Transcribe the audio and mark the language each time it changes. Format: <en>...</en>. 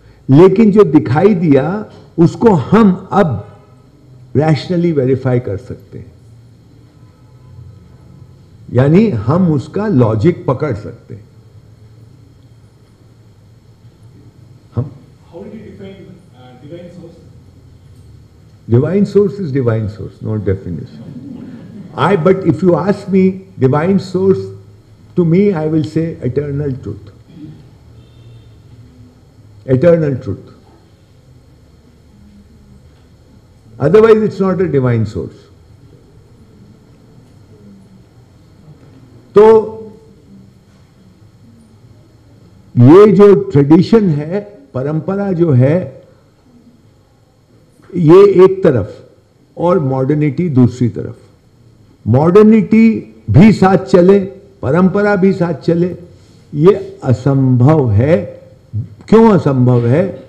<hi>लेकिन जो दिखाई दिया उसको हम अब रैशनली वेरीफाई कर सकते हैं, यानी हम उसका लॉजिक पकड़ सकते हैं. हम</hi> <en>How do you define divine source? Divine source is divine source, not definition. I but if you ask me divine source, to me I will say eternal truth. Eternal truth. Otherwise it's not a divine source.</en> <hi>तो ये जो tradition है, परंपरा जो है, ये एक तरफ और modernity दूसरी तरफ. मॉडर्निटी भी साथ चले, परंपरा भी साथ चले, ये असंभव है. क्यों असंभव है?</hi>